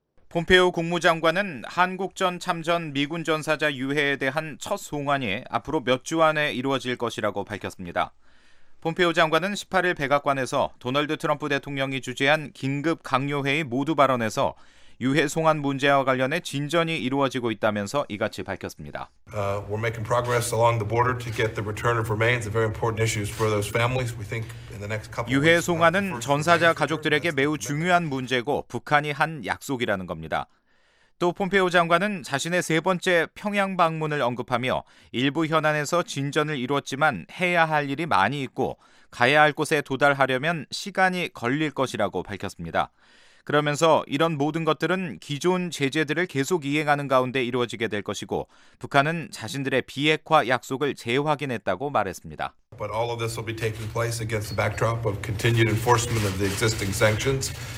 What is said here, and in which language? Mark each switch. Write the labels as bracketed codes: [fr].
[ko] 폼페오 국무장관은 한국전 참전 미군 전사자 유해에 대한 첫 송환이 앞으로 몇 주 안에 이루어질 것이라고 밝혔습니다. 폼페오 장관은 18일 백악관에서 도널드 트럼프 대통령이 주재한 긴급 강요회의 모두 발언에서 유해 송환 문제와 관련해 진전이 이루어지고 있다면서 이같이 밝혔습니다. [en] We're making progress along the border to get the return of remains, a very important issue for those families. We think in the next couple of weeks. [ko] 유해 송환은 전사자 가족들에게 매우 중요한 문제고 북한이 한 약속이라는 겁니다. 또 폼페오 장관은 자신의 세 번째 평양 방문을 언급하며 일부 현안에서 진전을 이루었지만 해야 할 일이 많이 있고 가야 할 곳에 도달하려면 시간이 걸릴 것이라고 밝혔습니다. 그러면서 이런 모든 것들은 기존 제재들을 계속 이행하는 가운데 이루어지게 될 것이고 북한은 자신들의 비핵화 약속을 재확인했다고 말했습니다. [en] But all of this will be taking place against the backdrop of continued enforcement of the existing sanctions.